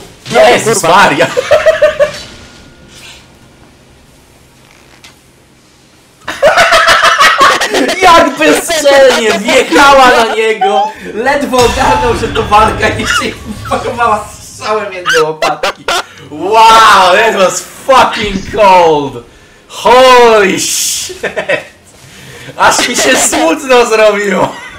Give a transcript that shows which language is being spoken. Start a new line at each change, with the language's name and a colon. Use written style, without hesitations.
Polish: Jezus Maria! Jak bezczelnie wjechała na niego! Ledwo ogarnął, że to walka i się pochowała strzałem między łopatki.
English: Wow, that was fucking cold! Holy shit!
Polish: Aż mi się smutno zrobiło!